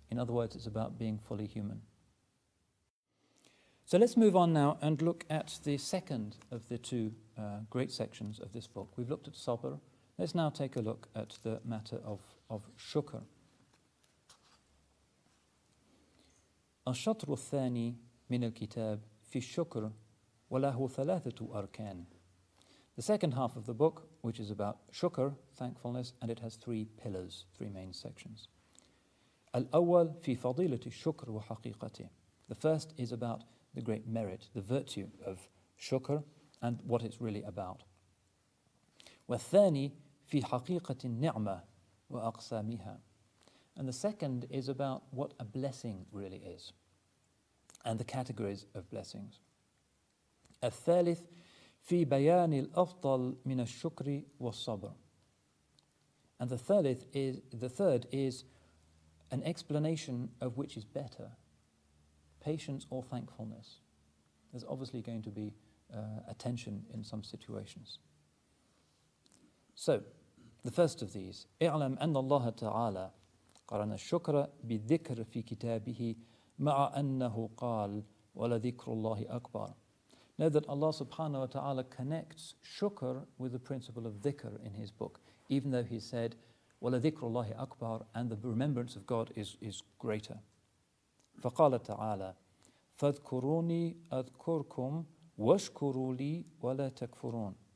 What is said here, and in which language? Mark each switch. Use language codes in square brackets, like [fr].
[en] In other words, it's about being fully human. So let's move on now and look at the second of the two great sections of this book. We've looked at sabr. Let's now take a look at the matter of shukr. [ar] الشطر الثاني من الكتاب في الشكر وله ثلاثة أركان. [en] The second half of the book, which is about shukr, thankfulness, and it has three pillars, three main sections. [ar] الأول في فضيلة الشكر وحقيقته. [en] The first is about the great merit, the virtue of shukr, and what it's really about. [ar] والثاني في حقيقة النعمة وأقسامها. [en] And the second is about what a blessing really is, and the categories of blessings. [ar] الثالث في بيان الأفضل من الشكر والصبر. [en] And the third is an explanation of which is better, patience or thankfulness. There's obviously going to be a tension in some situations. So, the first of these, [ar] اعلم أن الله تعالى قرن الشكر بالذكر في كتابه مَعَ أَنَّهُ قَالْ وَلَذِكْرُ اللَّهِ أَكْبَرُ. [en] Know that Allah subhanahu wa ta'ala connects shukr with the principle of dhikr in His book, even though He said, [ar] وَلَذِكْرُ اللَّهِ أَكْبَرُ, [en] and the remembrance of God is greater. [ar] فَقَالَ تَعَالَى فَاذْكُرُونِي أَذْكُرْكُمْ وَاشْكُرُوا لِي وَلَا تَكْفُرُونَ.